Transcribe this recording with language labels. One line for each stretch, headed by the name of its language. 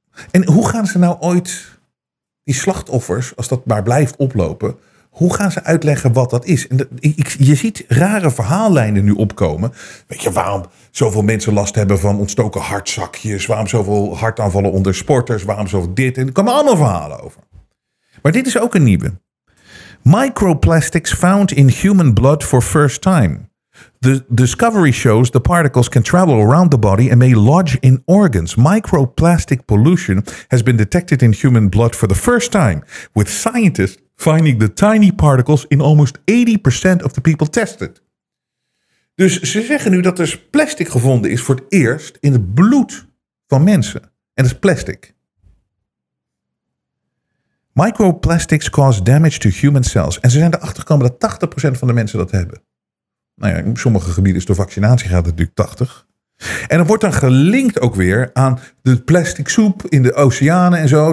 Dutch: En hoe gaan ze nou ooit, die slachtoffers, als dat maar blijft oplopen, hoe gaan ze uitleggen wat dat is? En je ziet rare verhaallijnen nu opkomen. Weet je, waarom zoveel mensen last hebben van ontstoken hartzakjes? Waarom zoveel hartaanvallen onder sporters? Waarom zoveel dit? En er komen allemaal verhalen over. Maar dit is ook een nieuwe.
English: Microplastics found in human blood for first time. The discovery shows the particles can travel around the body and may lodge in organs. Microplastic pollution has been detected in human blood for the first time, with scientists finding the tiny particles in almost 80% of the people tested.
Dutch: Dus ze zeggen nu dat er plastic gevonden is voor het eerst in het bloed van mensen. En dat is plastic.
English: Microplastics cause damage to human cells.
Dutch: En ze zijn erachter gekomen dat 80% van de mensen dat hebben. Nou ja, in sommige gebieden is de vaccinatie gaat natuurlijk 80. En dat wordt dan gelinkt ook weer aan de plastic soep in de oceanen en zo.